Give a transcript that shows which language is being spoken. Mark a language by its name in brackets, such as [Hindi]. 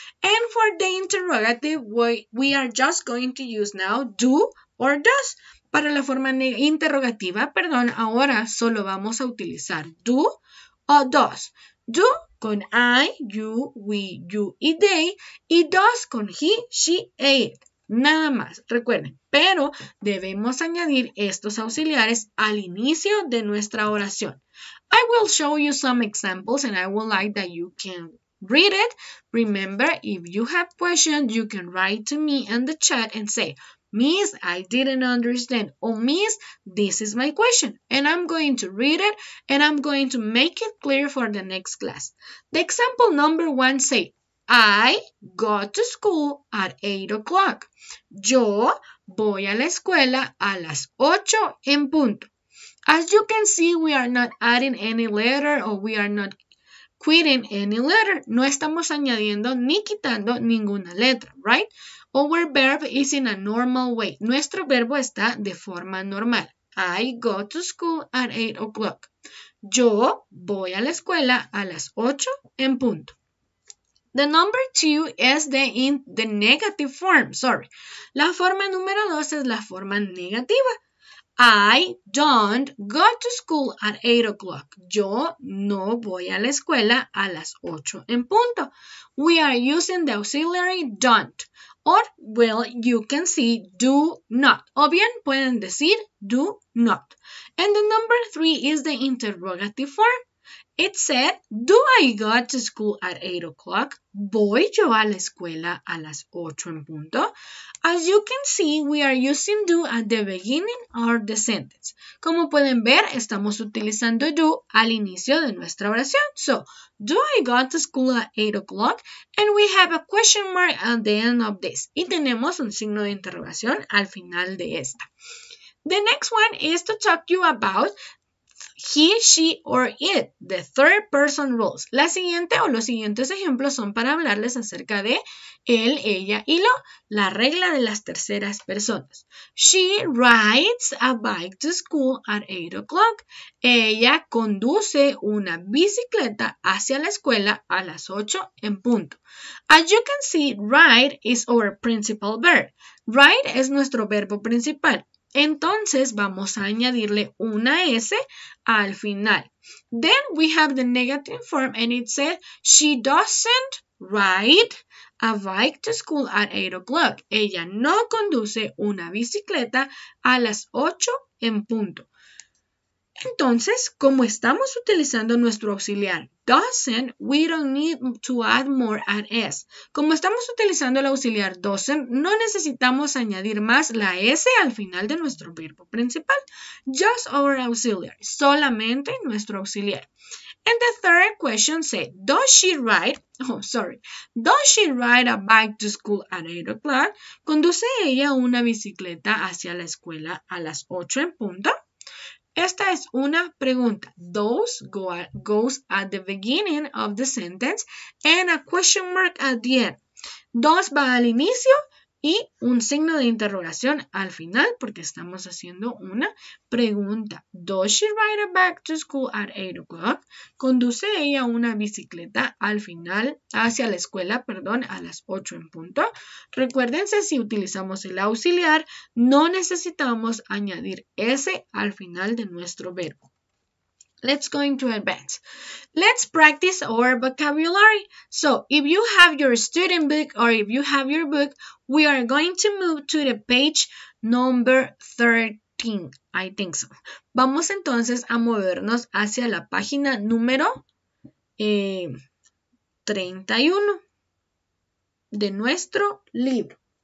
[English] And for the interrogative, we are just going to use now do or does. [Spanish] Para la forma interrogativa, perdón, ahora solo vamos a utilizar do o does. Do con I, you, we, you, y they, y does con he, she, it. Nada más, recuerden, pero debemos añadir estos auxiliares al inicio de nuestra oración. [English] I will show you some examples and I would like that you can read it. Remember, if you have questions, you can write to me in the chat and say, Miss, I didn't understand, or Miss, this is my question, and I'm going to read it, and I'm going to make it clear for the next class. The example number one says, I go to school at 8 o'clock. [Spanish] Yo voy a la escuela a las 8 en punto. [English] As you can see, we are not adding any letter or we are not quitting any letter. [Spanish] No estamos añadiendo ni quitando ninguna letra, right? [English] Our verb is in a normal way. [Spanish] Nuestro verbo está de forma normal. [English] I go to school at 8 o'clock. [Spanish] Yo voy a la escuela a las 8 en punto. [English] The number two is the negative form, sorry. [Spanish] La forma número dos es la forma negativa. [English] I don't go to school at 8 o'clock. [Spanish] Yo no voy a la escuela a las 8 en punto. [English] We are using the auxiliary don't. Or, well, you can see do not. [Spanish] O bien, pueden decir do not. [English] And the number three is the interrogative form. It said, do I go to school at 8 o'clock? [Spanish] ¿Voy yo a la escuela a las 8 en punto? [English] As you can see, we are using do at the beginning of the sentence. [Spanish] Como pueden ver, estamos utilizando do al inicio de nuestra oración. [English] So, do I go to school at 8 o'clock? And we have a question mark at the end of this. [Spanish] Y tenemos un signo de interrogación al final de esta. [English] The next one is to talk to you about he, she, or it, the third person roles. [Spanish] La siguiente o los siguientes ejemplos son para hablarles acerca de él, ella y lo, la regla de las terceras personas. [English] She rides a bike to school at 8 o'clock. [Spanish] Ella conduce una bicicleta hacia la escuela a las 8 en punto. [English] As you can see, ride is our principal verb. [Spanish] Ride es nuestro verbo principal. Entonces, vamos a añadirle una S al final. [English] Then, we have the negative form and it says, she doesn't ride a bike to school at 8 o'clock. [Spanish] Ella no conduce una bicicleta a las 8 en punto. Entonces, como estamos utilizando nuestro auxiliar [English] doesn't, we don't need to add more at S. [Spanish] Como estamos utilizando el auxiliar doesn't, no necesitamos añadir más la S al final de nuestro verbo principal. [English] Just our auxiliary, [Spanish] solamente nuestro auxiliar. [English] And the third question says, does she ride a bike to school at 8 o'clock? [Spanish] ¿Conduce ella una bicicleta hacia la escuela a las 8 en punto? Esta es una pregunta. [English] Those goes at the beginning of the sentence and a question mark at the end. [Spanish] Those va al inicio y un signo de interrogación al final porque estamos haciendo una pregunta. [English] Does she ride a bike to school at 8 o'clock? [Spanish] ¿Conduce ella una bicicleta al final, hacia la escuela, perdón, a las 8 en punto? Recuérdense, si utilizamos el auxiliar, no necesitamos añadir S al final de nuestro verbo. [English] Let's go into advance. Let's practice our vocabulary. So, if you have your student book or if you have your book, we are going to move to the page number 13. I think so. [Spanish] Vamos entonces a movernos hacia la página número 31 de nuestro libro.